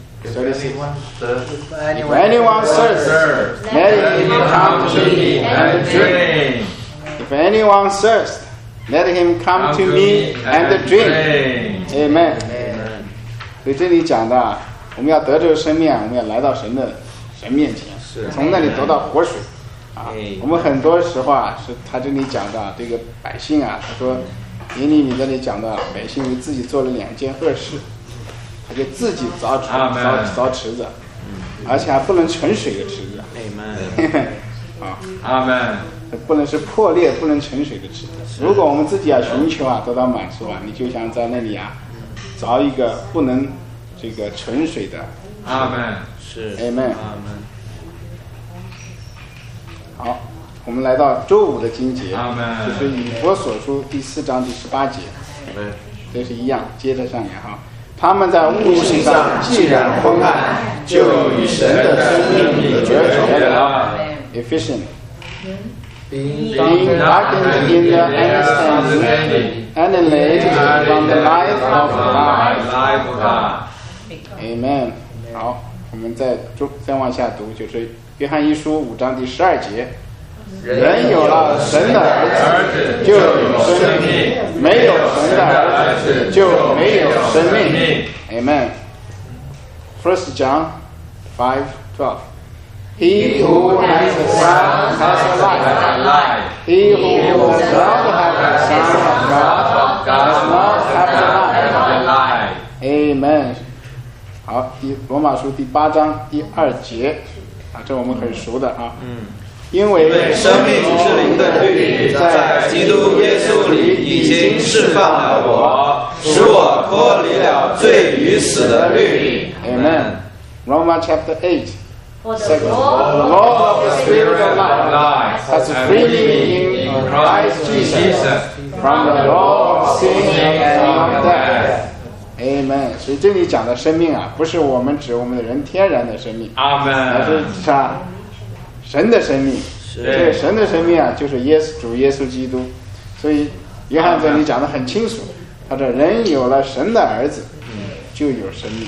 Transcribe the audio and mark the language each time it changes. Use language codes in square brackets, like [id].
[en] If anyone thirsts, let him come to me and drink. Amen. [zh] 所以这里讲的，我们要得着生命，我们要来到神的神面前，从那里得到活水。啊，我们很多时候啊，是他这里讲的这个百姓啊，他说，耶利米这里讲的百姓为自己做了两件恶事。他就自己凿池子，凿池子，而且还不能存水的池子。阿门。啊，阿门。不能是破裂、不能存水的池子。如果我们自己要寻求啊，得到满足啊，你就像在那里啊，凿一个不能这个存水的。阿门。是。阿门。阿门。好，我们来到周五的经节。阿门。就是以弗所书第四章第十八节。阿门。这是一样，接着上面哈。他们在悟性上既然昏暗，就与神的生命里绝绝了。 Efficient, [en] being darkened in the understanding, annihilated from the light of God. Amen. [zh] 好，我们再往下读，就是约翰一书五章第十二节。人有了神的儿子就有生命，没有神的儿子就没有生命。 [en] Amen. 1 John 5:12. He who has the Son has the life. He who does not have the Son of God does not have the life. Amen. [zh] 好，罗马书第八章第二节，这我们很熟的啊。嗯，因为生命之灵的律在基督耶稣里已经释放了我，使我脱离了罪与死的律。 [en] Amen. Romans chapter 8:2. The law of the spirit of life has freed me in Christ Jesus from the law of sin and of death. Amen。 [zh] 所以这里讲的生命啊，不是我们指我们的人天然的生命。 [en] Amen。 [zh] 而是啥？神的生命。是。这个神的生命啊，就是耶稣主耶稣基督。所以约翰这里讲的很清楚，他说人有了神的儿子，就有生命。